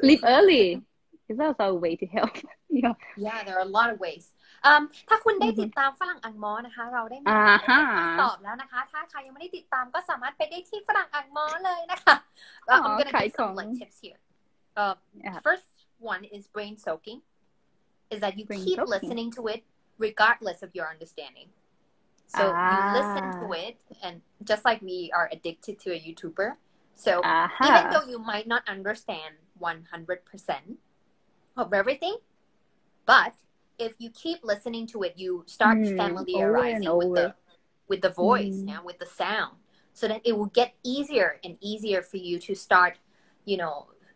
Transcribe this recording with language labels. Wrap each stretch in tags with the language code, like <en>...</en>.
<en>sleep early is also a way to help. Yeah, there are a lot of ways.</en> <th>ถ้าคุณได้ติดตามฝรั่งอังมอนะคะเราได้ มี คำตอบแล้วนะคะถ้าใครยังไม่ได้ติดตามก็สามารถไปได้ที่ฝรั่งอังมอเลยนะคะ</th> <en>I'm gonna give some like tips here. First one is brain soaking, is that you keep listening to it regardless of your understanding. So you listen to it, and just like we are addicted to a YouTuber, so even though you might not understand 100% of everything, but if you keep listening to it, you start familiarizing with the voice and with the sound, so that it will get easier and easier for you to start, you know.</en>